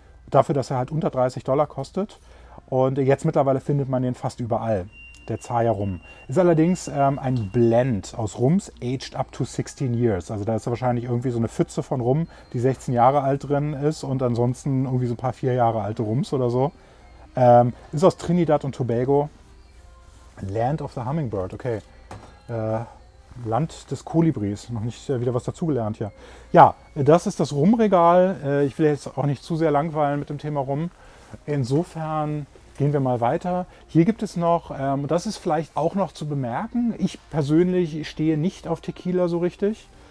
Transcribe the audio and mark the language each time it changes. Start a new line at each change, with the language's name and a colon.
German: Dafür, dass er halt unter 30 Dollar kostet. Und jetzt mittlerweile findet man den fast überall. Der Zaya Rum. Ist allerdings ein Blend aus Rums,
English: aged up to 16 years.
German: Also da ist wahrscheinlich irgendwie so eine Pfütze von Rum, die 16 Jahre alt drin ist. Und ansonsten irgendwie so ein paar 4 Jahre alte Rums oder so. Ist aus Trinidad und Tobago.
English: Land of the Hummingbird, okay.
German: Land des Kolibris, noch nicht wieder was dazugelernt hier. Ja, das ist das Rumregal. Ich will jetzt auch nicht zu sehr langweilen mit dem Thema Rum. Insofern gehen wir mal weiter. Hier gibt es noch, das ist vielleicht auch noch zu bemerken, ich persönlich stehe nicht auf Tequila so richtig.